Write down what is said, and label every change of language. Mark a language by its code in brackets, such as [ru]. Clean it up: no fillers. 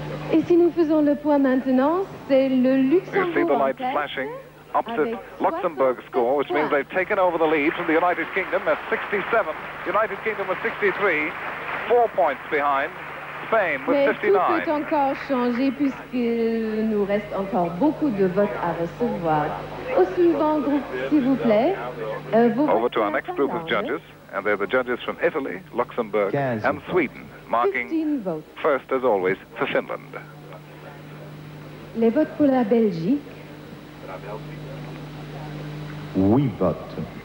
[fr] Et si nous faisons le point maintenant, c'est le Luxembourg. [en] You see the lights flashing opposite Luxembourg's score, which means they've taken over the lead from the United Kingdom at 67. United Kingdom with 63, 4 points behind. Spain with 59. [fr] Mais tout peut encore changer puisqu'il nous reste encore beaucoup de votes à recevoir. Au suivant groupe, s'il vous plaît. [en] Over to our next group of judges. And they're the judges from Italy, Luxembourg, and Sweden, marking first, as always, for Finland. [fr] Les votes pour la Belgique. 8 votes.